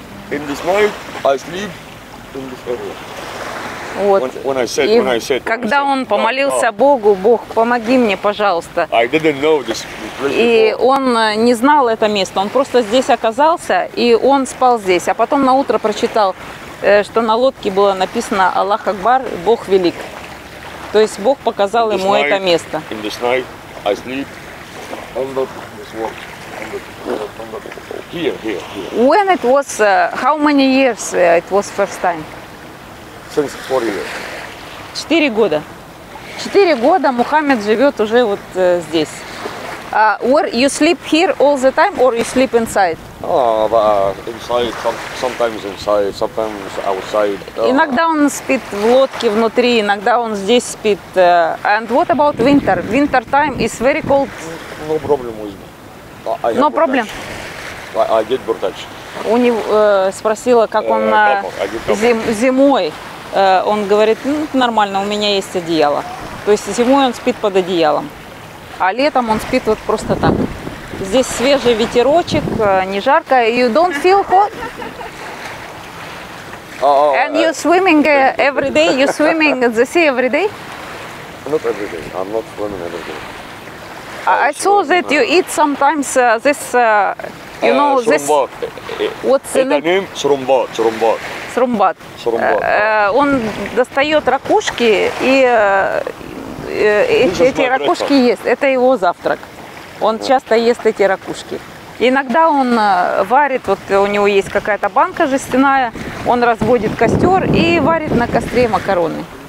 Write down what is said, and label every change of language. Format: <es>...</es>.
<en>In this night, I sleep in this area.</en> <ru>Вот.</ru> <en>When I said,</en> <ru>когда он помолился Богу, Бог, помоги мне, пожалуйста.</ru> <en>I didn't know this place.</en> <ru>И он не знал это место, он просто здесь оказался, и он спал здесь. А потом на утро прочитал, что на лодке было написано «Аллах Акбар, Бог велик». То есть Бог показал ему</ru> <en>night,</en> <ru>это место.</ru> <en>In this night, I sleep under this world. Here. When it was, how many years it was first time?</en> <ru>Четыре года. Четыре года Мухаммед живет уже вот здесь.</ru> <en>Where you sleep here all the time or you sleep inside? Inside, sometimes inside, sometimes outside.</en> <ru>Иногда он спит в лодке внутри, иногда он здесь спит.</ru> <en>And what about winter? Winter time is very cold. No problem with me. No problem. I get burtach.</en> <ru>У него спросила, как он зимой. Он говорит, ну, нормально, у меня есть одеяло. То есть зимой он спит под одеялом. А летом он спит вот просто так. Здесь свежий ветерочек, не жарко.</ru> <en>You don't feel hot? And you're swimming every day? You're swimming in the sea every day? Not every day. I'm not swimming every day. I saw that you eat sometimes this, you know, Surumbat. This... What's the name? Surumbat. Surumbat.</en> <ru>Срумбат. Он достает ракушки и эти ракушки ест. Это его завтрак. Он часто ест эти ракушки. Иногда он варит, вот у него есть какая-то банка жестяная, он разводит костер и варит на костре макароны.</ru>